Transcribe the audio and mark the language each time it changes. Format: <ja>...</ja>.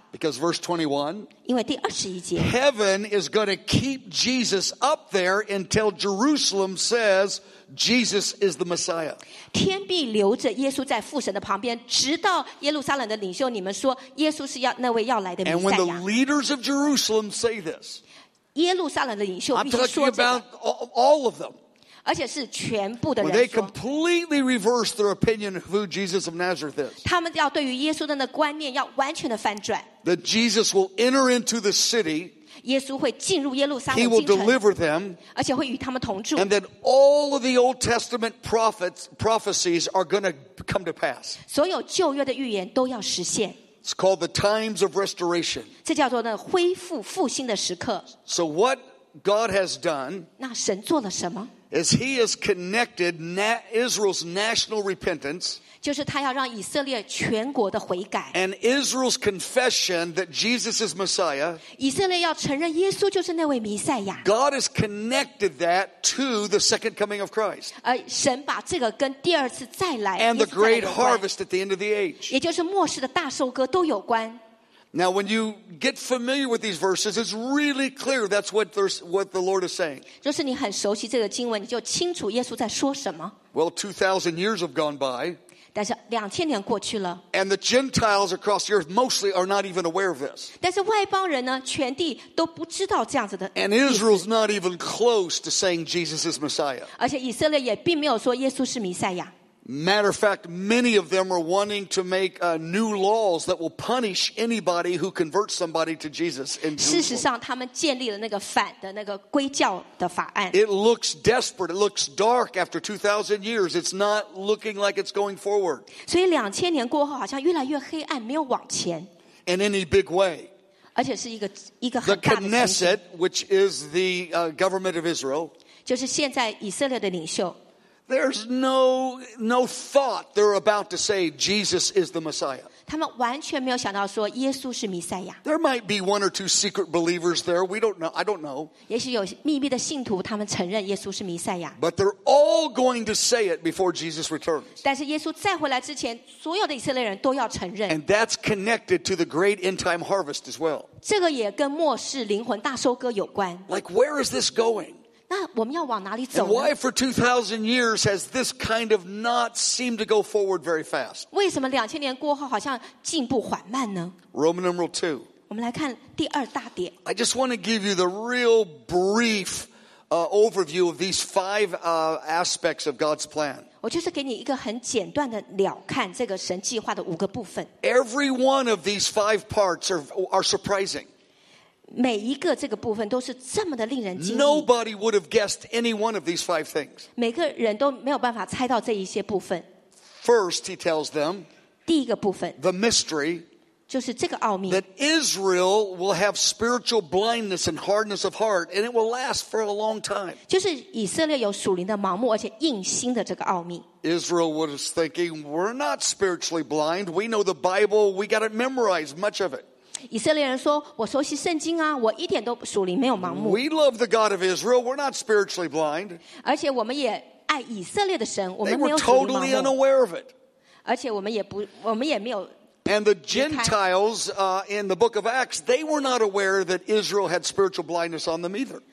<en>Because verse 21,</en> <zh>因为第21节</zh> <en>heaven is going to keep Jesus up there until Jerusalem says Jesus is the Messiah.</en> <zh>天必留着耶稣在父神的旁边，直到耶路撒冷的领袖你们说耶稣是那位要来的弥赛亚。</zh> <en>And when the leaders of Jerusalem say this,</en> <zh>耶路撒冷的领袖必须说这个。</zh> <en>I'm talking about all of them.</en> <zh>而且是全部的人说。</zh> <en>They completely reverse their opinion of who Jesus of Nazareth is.</en> <zh>他们要对于耶稣的那观念要完全的翻转。</zh> <en>That Jesus will enter into the city.</en> <zh>耶稣会进入耶路撒冷。</zh> <en>He will deliver them.</en> <zh>而且会与他们同住。</zh> <en>And that all of the Old Testament prophecies are going to come to pass.</en> <zh>所有旧约的预言都要实现。</zh> <en>It's called the times of restoration.</en> <zh>这叫做那恢复复兴的时刻。</zh> <en>So what God has done?</en> <zh>那神做了什么？</zh> <en>As he has connected Israel's national repentance,</en> <zh>就是他要让以色列全国的悔改</zh> <en>and Israel's confession that Jesus is Messiah,</en> <zh>以色列要承认耶稣就是那位弥赛亚</zh> <en>God has connected that to the second coming of Christ,</en> <zh>而神把这个跟第二次再来</zh> <en>and the great harvest at the end of the age,</en> <zh>也就是末世的大收割都有关</zh> <en>Now when you get familiar with these verses, it's really clear that's what the Lord is saying.</en> <zh>就是你很熟悉这个经文，你就清楚耶稣在说什么。</zh> <en>Well, 2,000 years have gone by.</en> <zh>但是两千年过去了。</zh> <en>And the Gentiles across the earth mostly are not even aware of this.</en> <zh>但是外邦人呢，全地都不知道这样子的。</zh> <en>And Israel's not even close to saying Jesus is Messiah.</en> <zh>而且以色列也并没有说耶稣是弥赛亚。</zh> <en>Matter of fact, many of them are wanting to make new laws that will punish anybody who converts somebody to Jesus.</en> <zh>事实上，他们建立了那个反的那个归教的法案。</zh> <en>It looks desperate. It looks dark after 2,000 years. It's not looking like it's going forward.</en> <zh>所以两千年过后，好像越来越黑暗，没有往前。</zh> <en>In any big way.</en> <zh>而且是一个很大的情形。</zh> <en>The Knesset, which is the government of Israel,</en> <zh>就是现在以色列的领袖。</zh> <en>There's no thought they're about to say Jesus is the Messiah.</en> <zh>他们完全没有想到说耶稣是弥赛亚。</zh> <en>There might be one or two secret believers there. We don't know. I don't know.</en> <zh>也许有秘密的信徒，他们承认耶稣是弥赛亚。</zh> <en>But they're all going to say it before Jesus returns.</en> <zh>但是耶稣再回来之前，所有的以色列人都要承认。</zh> <en>And that's connected to the great end-time harvest as well.</en> <zh>这个也跟末世灵魂大收割有关。</zh> <en>Like where is this going?</en> <zh>那我们要往哪里走呢?</zh> <en>And why for 2,000 years has this kind of not seemed to go forward very fast?</en> <zh>为什么两千年过后好像进步缓慢呢?</zh> <en>Roman numeral 2.</en> <zh>我们来看第二大点。</zh> <en>I just want to give you the real brief overview of these five aspects of God's plan.</en> <zh>我就是给你一个很简短的了看这个神计划的五个部分。</zh> <en>Every one of these five parts are surprising.</en> <zh>每一个这个部分都是这么的令人惊讶。</zh> <en>Nobody would have guessed any one of these five things.</en> <zh>每个人都没有办法猜到这一些部分。</zh> <en>First, he tells them.</en> <zh>第一个部分。</zh> <en>The mystery.</en> <zh>就是这个奥秘。</zh> <en>That Israel will have spiritual blindness and hardness of heart, and it will last for a long time.</en> <zh>就是以色列有属灵的盲目而且硬心的这个奥秘。</zh> <en>Israel was thinking, "We're not spiritually blind. We know the Bible. We got it memorized, much of it."</en> <zh>以色列人说我熟悉圣经啊我一点都属灵没有盲目</zh> <en>We love the God of Israel We're not spiritually blind</en> <zh>而且我们也爱以色列的神我们没有属灵盲目</zh> <en>They were totally unaware of it</en> <zh>而且我们也没有离开</zh> <en>And the Gentiles in the book of Acts They were not aware that Israel had spiritual blindness on them either</en>